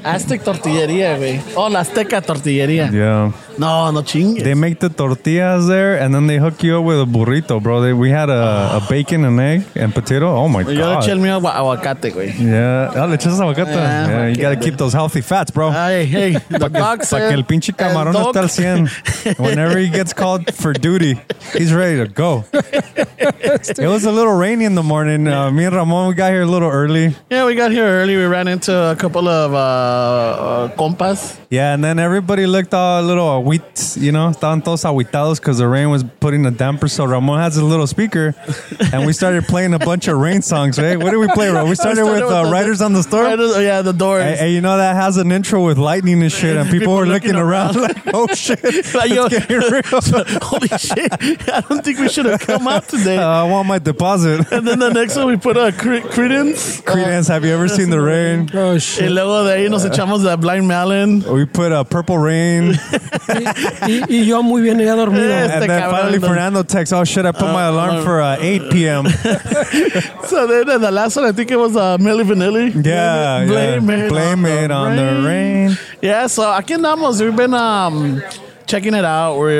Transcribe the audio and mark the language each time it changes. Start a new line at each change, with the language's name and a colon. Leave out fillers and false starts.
Spanish: Aztec Tortilleria, wey. Oh, la Azteca Tortillería.
English: Yeah.
Spanish: No, no chingues.
English: They make the tortillas there, and then they hook you up with a burrito, bro. We had a bacon, an egg, and potato. Oh, my
Spanish: yo
English: God.
Spanish: Yo eché el mío aguacate, güey. Yeah. Oh, le echas aguacate.
English: Yeah, yeah, you got to keep those healthy fats, bro. Hey, hey. The dog said.
Spanish: Para que el pinche camarón el está al 100.
English: Whenever he gets called for duty, he's ready to go. It was a little rainy in the morning. Yeah. Me and Ramon, we got here a little early. Yeah, we got here early. We ran into a couple of compas. Yeah, and then everybody looked all a little agüit, you know,
Spanish: estaban todos agüitados
English: because the rain was putting a damper. So Ramon has a little speaker and we started playing a bunch of rain songs, right? What did we play, bro? We started with Riders on the Storm. Riders, yeah, the Doors. And you know, that has an intro with lightning and shit, and people were looking around like, oh shit. Like, yo, it's getting real. Holy shit. I don't think we should have come out today. I want my deposit. And then the next one, we put a Credence. Have you ever seen the rain? Oh shit.
Spanish: Y luego de ahí nos echamos la Blind Melon.
English: We put a Purple Rain.
Spanish: Y yo muy bien ya dormido.
English: And then finally Fernando texts, oh shit, I put my alarm for 8 p.m. So then the last one, I think it was Milli Vanilli. Blame it on the rain. Yeah, so
Spanish: aquí andamos.
English: We've been checking it out.